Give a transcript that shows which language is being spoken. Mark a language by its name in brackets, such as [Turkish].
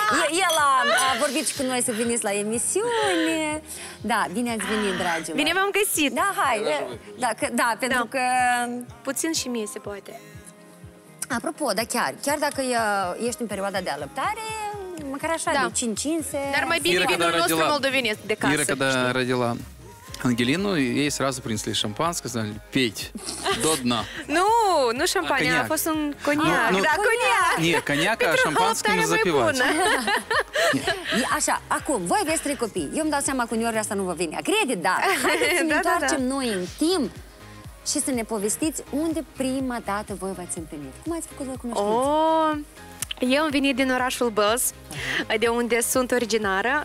[Romanian] El a vorbit și cu noi să veniți la emisiune. Da, bine ați venit, dragilor. Bine v-am găsit. Da, hai. Da, pentru că... Puțin și mie se poate. Apropo, da, chiar dacă ești în perioada de alăptare, măcar așa, de 5-5. Dar mai bine vinul nostru moldovenesc de casă. Ira, când a [Russian] родила Ангелину, ей сразу принесли шампанское, сказали, пить до дна. Ну, шампань, а после он коньяк. Ну, да, коньяк. Нет, коньяк, а шампанское не запивать. [Romanian] Așa, acum, voi aveți 3 copii. Eu îmi dau seama că uneori asta nu vă vine. Credit, da. Haideți să ne întoarcem noi în timp și să ne povestiți unde prima dată voi v-ați întâlnit. Cum ați făcut voi cunoștință? Eu am venit din orașul Băz, de unde sunt originară.